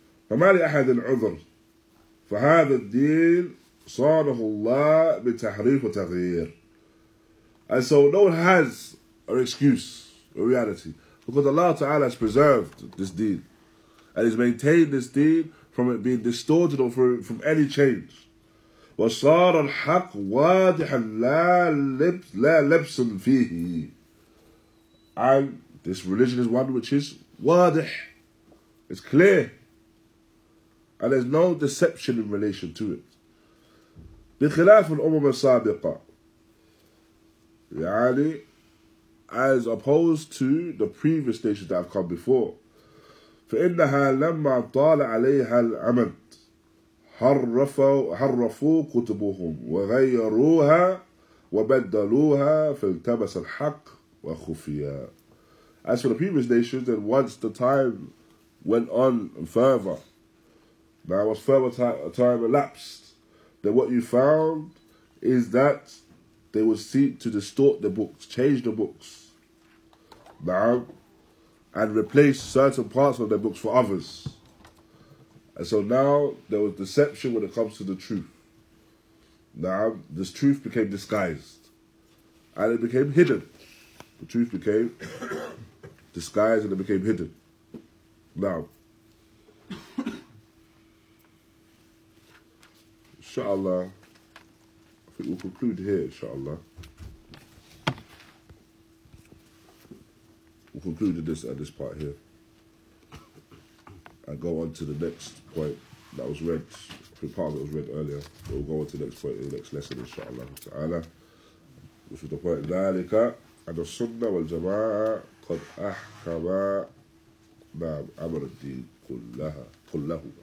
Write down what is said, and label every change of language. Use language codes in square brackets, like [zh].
[ar] فما لأحد العذر فهذا الدين صانه الله بتحريف وتغيير. [en] And so no one has an excuse in reality, because Allah Ta'ala has preserved this deen and has maintained this deen from it being distorted or from any change. [ar] وصار الحق واضحا لا لبس فيه. [en] And this religion is one which is واضح. It's clear. And there's no deception in relation to it. [ar] بخلاف الأمم السابقة. [en] يعني as opposed to the previous nations that have come before. [ar] فإنها لما طال عليها العمد حرفوا كتبهم وغيروها وبدلوها فالتبس الحق وخفيا. [en] As for the previous nations, then once the time went on further, now was further time elapsed, then what you found is that they would seek to distort the books, change the books, now, and replace certain parts of their books for others. And so now there was deception when it comes to the truth. Now this truth became disguised. And it became hidden. The truth became disguised and it became hidden. Now. Inshallah. I think we'll conclude here, inshallah. We'll conclude this at this part here. And go on to the next point that was read, the part that was read earlier. We'll go on to the next point in the next lesson, inshallah ta'ala. Which is the point, [ar] ذلك أن السنة والجماعة قد أحكم نعم أمر الدين كلها كله.